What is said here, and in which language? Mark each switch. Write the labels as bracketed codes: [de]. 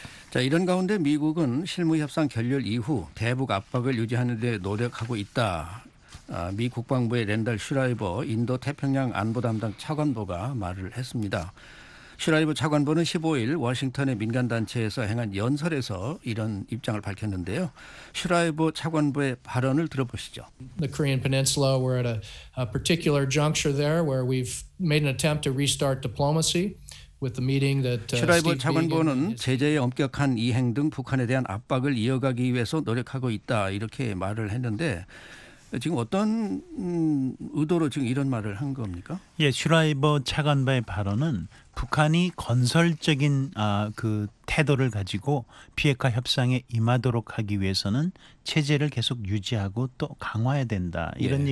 [ko] 자, 이런 가운데 미국은 실무협상 결렬 이후 대북 압박을 유지하는 데 노력하고 있다. 미 국방부의 랜달 슈라이버 인도태평양 안보 담당 차관보가 말을 했습니다. 슈라이버 차관보는 15일 워싱턴의 민간단체에서 행한 연설에서 이런 입장을 밝혔는데요. 슈라이버 차관보의 발언을 들어보시죠. [en] The Korean Peninsula, we're at a particular juncture there where we've made an attempt to restart diplomacy. [ko] 슈라이버 차관보는 제재의 엄격한 이행 등 북한에 대한 압박을 이어가기 위해서 노력하고 있다 이렇게 말을 했는데 지금 어떤 의도로 지금 이런 말을 한 겁니까? 예, 슈라이버 차관바의 발언은 북한이 건설적인 그 태도를 가지고 비핵화 협상에 임하도록 하기 위해서는 체제를 계속 유지하고 또 강화해야 된다 이런 예.